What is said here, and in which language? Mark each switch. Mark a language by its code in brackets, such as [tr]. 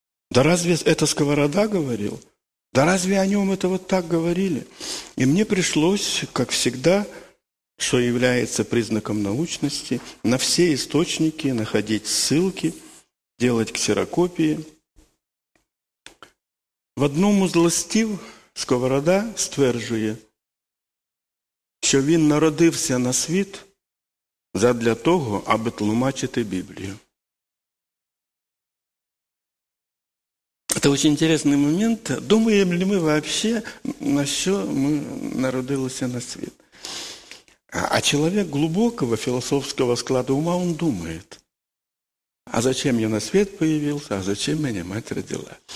[ru] Да разве это Сковорода говорил? Да разве о нем это вот так говорили? И мне пришлось, как всегда, что является признаком научности, на все источники находить ссылки, делать ксерокопии. [uk] В одному з листів Сковорода стверджує, що він народився на світ задля того, аби тлумачити Біблію. [ru] Это очень интересный момент. Думаем ли мы вообще, на что мы народились на свет? А человек глубокого философского склада ума, он думает. А зачем я на свет появился? А зачем меня мать родила?